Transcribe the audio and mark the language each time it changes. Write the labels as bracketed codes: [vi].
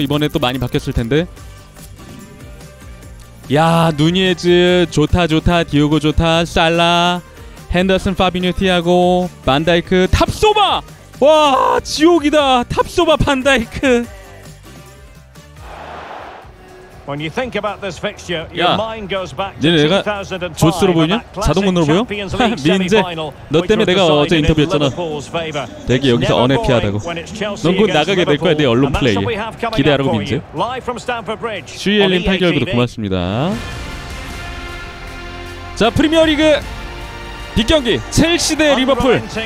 [ko] 이번에 또 많이 바뀌었을 텐데. 야, 누니에즈 좋다. 디오고 좋다. 살라, 헨더슨, 파비뉴, 티아고, 반다이크, 탑소바. 와, 지옥이다. 탑소바, 반다이크. [en] When you think about this fixture, your mind goes back to 2005. [ko] 얘가 조스로 보이냐? 자동문으로 보여? 민재, 너 때문에 내가 어제 인터뷰했잖아. 되게 여기서 언해피하다고. 넌 곧 나가게 될 거야, 내 언론 플레이에. 기대하라고 민재. 슈이엘린 8개월부터 고맙습니다. 자, 프리미어리그 빅경기 첼시 대 리버풀.